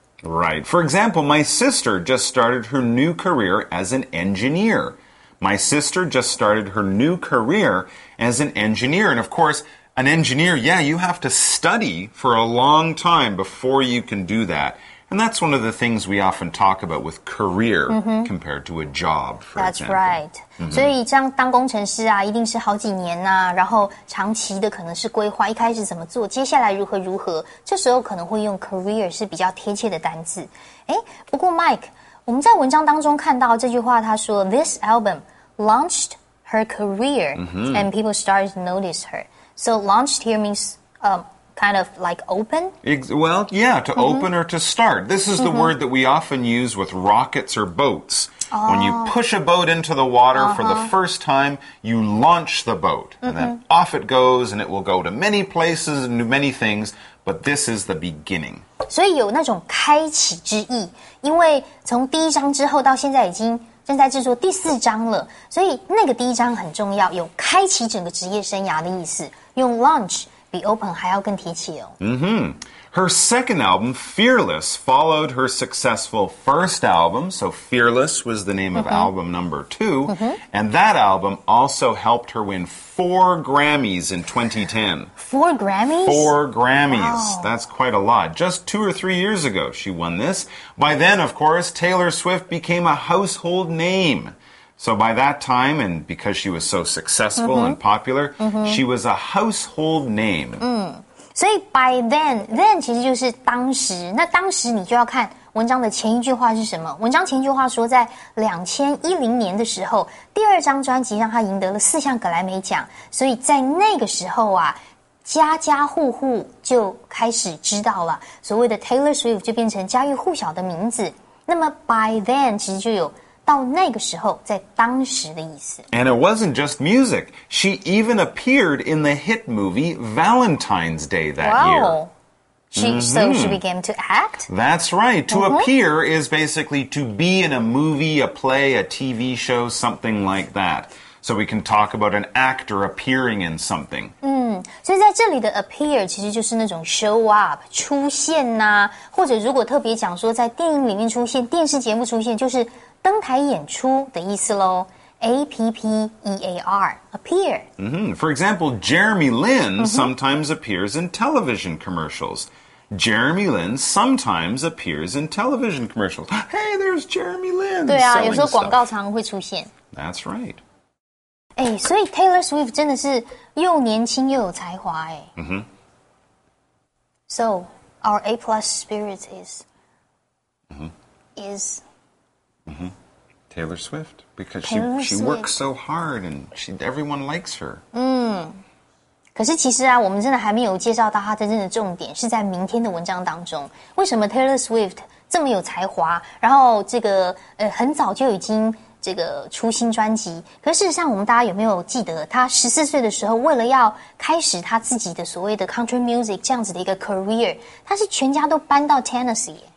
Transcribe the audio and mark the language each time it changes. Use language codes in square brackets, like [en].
[en] Right, for example, my sister just started her new career as an engineer. My sister just started her new career as an engineer. And of course, an engineer, yeah, you have to study for a long time before you can do that. And that's one of the things we often talk about with career compared to a job, for that's example. That's right. [zh] 所以这样当工程师啊，一定是好几年啊，然后长期的可能是规划一开始怎么做，接下来如何如何，这时候可能会用 career 是比较贴切的单字。诶，不过 Mike... 我们在文章当中看到这句话他说 [en] This album launched her career and people started to notice her. So launched here means、kind of like open? Well, yeah, to open or to start. This is the word that we often use with rockets or boats. When you push a boat into the water for the first time, you launch the boat. And then off it goes and it will go to many places and do many things. But this is the beginning. [zh] 所以有那种开启之意，因为从第一章之后到现在已经正在制作第四章了，所以那个第一章很重要，有开启整个职业生涯的意思。用 launch 比 open 还要更贴切哦。 Mm-hmm. [en] Her second album, Fearless, followed her successful first album. So Fearless was the name of album number two. And that album also helped her win 4 Grammys in 2010. 4 Grammys? 4 Grammys. Wow. That's quite a lot. Just 2 or 3 years ago, she won this. By then, of course, Taylor Swift became a household name. So by that time, and because she was so successful and popular, she was a household name. [zh] 所以 by then 其实就是当时，那当时你就要看文章的前一句话是什么。文章前一句话说，在2010年的时候，第二张专辑让他赢得了4项格莱美奖，所以在那个时候啊，家家户户就开始知道了，所谓的 Taylor Swift 就变成家喻户晓的名字。那么 by then 其实就有到那个时候，在当时的意思。 [en] And it wasn't just music. She even appeared in the hit movie Valentine's Day that year. So she began to act? That's right. To appear is basically to be in a movie, a play, a TV show, something like that. So we can talk about an actor appearing in something. [zh] 所以在这里的 appear 其实就是那种 show up, 出现啊，或者如果特别讲说在电影里面出现，电视节目出现，就是登台演出的意思咯。 [en] A-P-P-E-A-R, appear. For example, Jeremy Lin sometimes appears in television commercials. Jeremy Lin sometimes appears in television commercials. Hey, there's Jeremy Lin. [zh] 对啊，有时候广告常会出现。 [en] That's right. [zh] 哎，所以 Taylor Swift 真的是又年轻又有才华哎。 [en] So, our A-plus spirit is... is... Taylor Swift, because she works so hard and everyone likes her. [zh] 可是其实啊，我们真的还没有介绍到她真正的重点，是在明天的文章当中。为什么 Taylor Swift 这么有才华，然后这个很早就已经这个出新专辑？可是事实上，我们大家有没有记得，她14岁的时候，为了要开始她自己的所谓的 country music 这样子的一个 career， 她是全家都搬到 Tennessee。